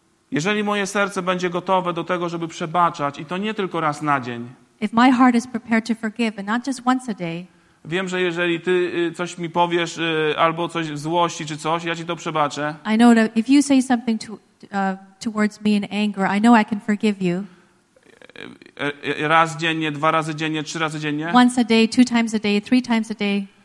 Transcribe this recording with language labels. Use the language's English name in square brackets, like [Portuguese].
[Polish] Jeżeli moje serce będzie gotowe do tego, żeby przebaczać, i to nie tylko raz na dzień, [English] if my heart is prepared to forgive, and not just once a day, [Polish] wiem, że jeżeli ty coś mi powiesz, albo coś w złości, czy coś, ja ci to przebaczę. [English] I know that if you say something to towards me in anger, I know I can forgive you. [Polish] Raz dziennie, dwa razy dziennie, trzy razy dziennie. [English] Once a day, two times a day, three times a day.